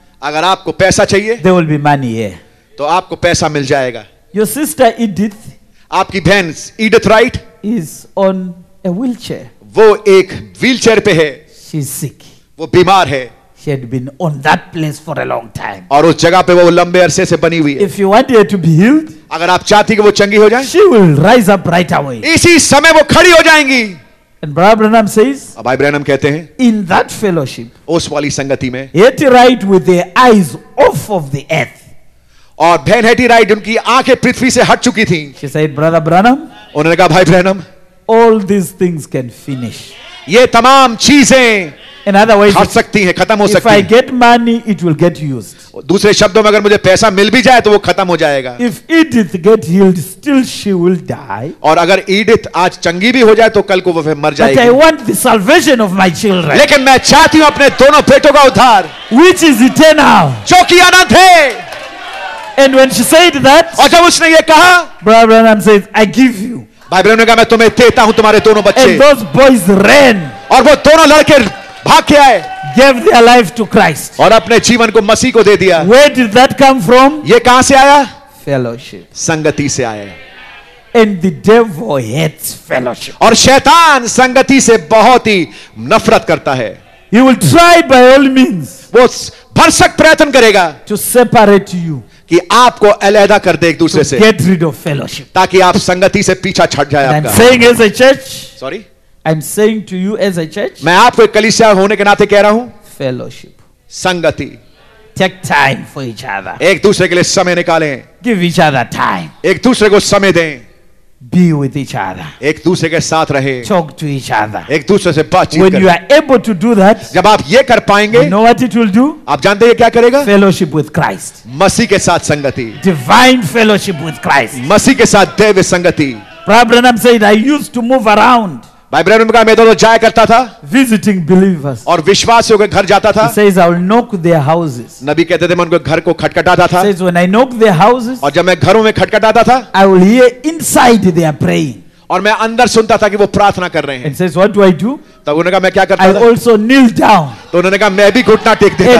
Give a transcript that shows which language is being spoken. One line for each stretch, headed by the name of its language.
Hindi: Agar aapko paisa chahiye.
English: There will be money here.
Hindi: To aapko paisa mil jayega.
English: Your sister Edith.
Hindi: Aapki behan Edith Wright.
English: Is on a wheelchair.
Hindi: वो एक wheelchair पे है.
English: She is sick.
Hindi: वो बीमार है.
English: She had been on that place for a long time.
Hindi: और उस जगह पे वो लंबे अरसे से बनी हुई है.
English: If you want her to be healed,
Hindi: अगर आप चाहती कि वो चंगी हो जाए,
English: she will rise up right away.
Hindi: इसी समय वो खड़ी हो जाएंगी.
English: And Brother Branham says,
Hindi: भाई ब्रैनम कहते हैं,
English: in that fellowship,
Hindi: उस वाली संगति में,
English: Hetty Wright with their eyes off of the earth.
Hindi: और बहन Hetty Wright उनकी आंखें पृथ्वी से हट चुकी थी.
English: She said, Brother Branham,
Hindi: उन्होंने कहा भाई Branham,
English: all these things can finish.
Hindi: ये तमाम चीजें,
English: in other words,
Hindi: हट सकती हैं, खत्म हो सकती हैं.
English: If I get money, it will get used.
Hindi: दूसरे शब्दों में अगर मुझे पैसा मिल भी जाए, तो वो खत्म हो जाएगा.
English: If Edith get healed, still she will die.
Hindi: और अगर Edith आज चंगी भी हो जाए, तो कल को वो फिर मर जाएगी.
English: But I want the salvation of my children.
Hindi: लेकिन मैं चाहती हूँ अपने दोनों बेटों का उद्धार.
English: Which is eternal.
Hindi: जो कि अनंत है.
English: And when she said that,
Hindi: और जब उसने ये कहा,
English: Brother Branham says, I give you.
Hindi: भाई ब्रैनम ने कहा मैं तुम्हें देता हूं तुम्हारे दोनों बच्चे.
English: And those boys ran.
Hindi: और वो दोनों लड़के भाग के आए.
English: Gave their life to Christ.
Hindi: और अपने जीवन को मसीह को दे दिया.
English: Where did that come from?
Hindi: ये कहां से आया?
English: Fellowship.
Hindi: संगति से आया.
English: And the devil hates fellowship.
Hindi: और शैतान संगति से बहुत ही नफरत करता है.
English: He will try by all means.
Hindi: वो भरसक प्रयत्न करेगा.
English: To separate you.
Hindi: कि आपको अलहदा कर दे एक दूसरे से.
English: Get rid of fellowship.
Hindi: ताकि आप संगति से पीछा छट जाए आपका.
English: I'm saying as a church. Sorry. I'm saying to you as a church.
Hindi: मैं आपको एक कलीसिया होने के नाते कह रहा हूं.
English: Fellowship.
Hindi: संगति.
English: Take time for each other.
Hindi: एक दूसरे के लिए समय निकालें.
English: Give each other time.
Hindi: एक दूसरे को समय दें.
English: Be with each other.
Hindi: एक दूसरे के साथ रहे.
English: Talk to each other.
Hindi: एक दूसरे से बातचीत करें.
English: When you are able to do that,
Hindi: जब आप ये कर पाएंगे,
English: you know what it will do?
Hindi: आप जानते हैं क्या करेगा?
English: Fellowship with Christ.
Hindi: मसीह के साथ संगति.
English: Divine fellowship with Christ.
Hindi: मसीह के साथ दैवीय संगति.
English: Brother Branham said, I used to move around.
Hindi: भाई ब्रैनम ने कहा मैं तो जाया करता था.
English: Visiting believers.
Hindi: और विश्वासियों के घर जाता था.
English: He says, I'll knock their houses.
Hindi: नबी कहते थे मैं उनके घर को खटखटाता था.
English: He says, when I knock their houses,
Hindi: और जब मैं घरों में खटखटाता था,
English: I will hear inside their praying.
Hindi: और मैं अंदर सुनता था कि वो प्रार्थना कर रहे हैं.
English: And says, what do I do?
Hindi: तब उन्होंने कहा मैं क्या करता था?
English: I also kneel down.
Hindi: तो उन्होंने कहा मैं भी घुटना टेक देता